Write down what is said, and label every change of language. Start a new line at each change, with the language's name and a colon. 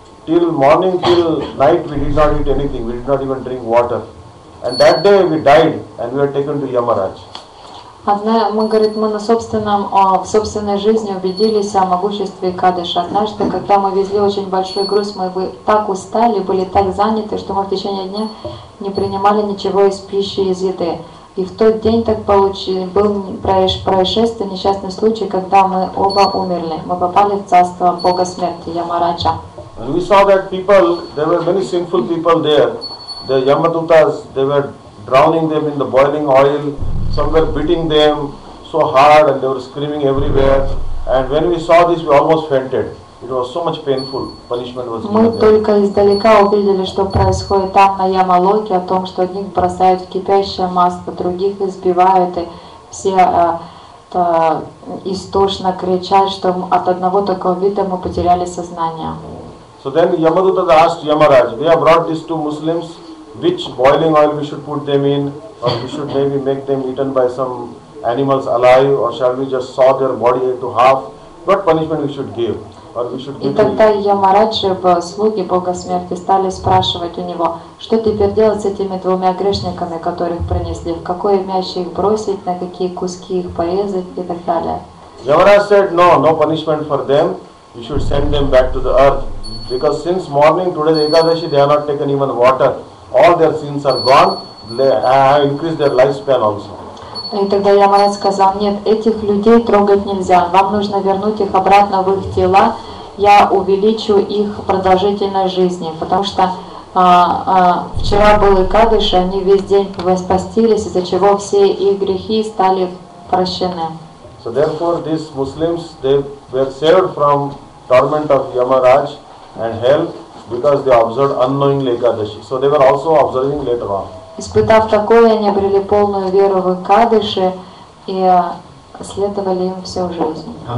English: Till morning, till night, we did not eat anything. We did not even drink water. And that day we died and we were taken to Yamaraj.
Russian: Одна, мы, говорит, мы на собственном, в собственной жизни убедились о могуществе Экадаши. Однажды, когда мы везли очень большой груз, мы бы так устали, были так заняты, что мы в течение дня не принимали ничего из пищи, из еды. И в тот день так получилось, был происшествие, несчастный случай, когда мы оба умерли. Мы попали в царство Бога смерти, Ямараджа.
English: And we saw that people, there were many sinful people there. The Yamadutas, they were drowning them in the boiling oil. Some were beating them so hard and they were screaming everywhere. And when we saw this, we almost fainted. It was so much painful. Punishment was given.
Russian: Мы только издалека увидели, что происходит там на Ямалоке, о том, что одних бросают в кипящее масло, других избивают, и все истошно кричат, что от одного такого вида мы потеряли сознание.
English: So then Yamadutas asked Yamaraj, we have brought these two Muslims, which boiling oil we should put them in, or we should maybe make them eaten by some animals alive, or shall we just saw their body into half, what punishment we should give, or we should give
Russian: И тогда Ямарадж, слуги Бога Смерти, стали спрашивать у него, что теперь делать с этими двумя грешниками, которых принесли, в какое мясо их бросить, на какие куски их порезать и так далее.
English: Yamaraj said, no, no punishment for them, we should send them back to the earth. Because since morning, today's Ekadashi, they have not taken even water. All their sins are gone. They have increased their lifespan also.
Russian: И тогда Ямарадж сказал, нет, этих людей трогать нельзя. Вам нужно вернуть их обратно в их тела. Я увеличу их продолжительность жизни. Потому что вчера был Ekadashi, они весь день постились, из-за чего все их грехи стали прощены.
English: So therefore, these Muslims, they were saved from torment of Yamaraj. And hell, because they observed unknowingly Ekadashi. So they were also observing later on.
Russian: Испытав такое, они обрели полную веру в Экадаши и следовали им всю жизнь.